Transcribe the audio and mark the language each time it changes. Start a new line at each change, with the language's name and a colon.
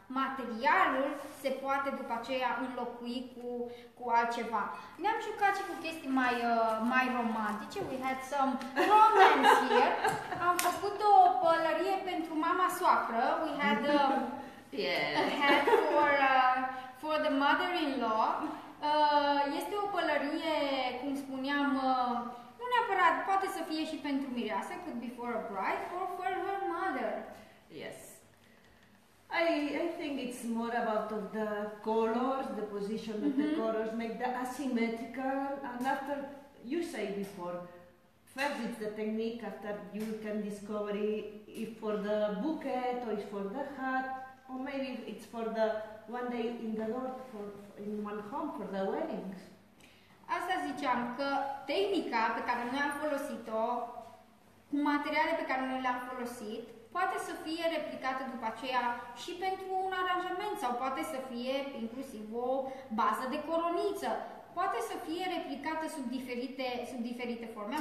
Romanian: Materialul se poate după aceea înlocui cu altceva. Ne-am jucat și cu chestii mai romantice.
English: We had some romance here.
Romanian: Am făcut o pălărie pentru mama soacră.
English: We had a hat for the mother-in-law.
Romanian: Este neapărat, poate să fie și pentru mireasă,
English: could be for a bride or for her mother. Yes. I think it's more about of the colors, the position of the colors, make the asymmetrical, and after, you say before, first it's the technique, after you can discover if for the bouquet, or if for the hat, or maybe it's for the one day in the Lord, for in one home, for the weddings.
Romanian: Asta ziceam, că tehnica pe care noi am folosit-o, cu materiale pe care noi le-am folosit, poate să fie replicată după aceea și pentru un aranjament sau poate să fie inclusiv o bază de coroniță. Poate să fie replicată sub diferite forme.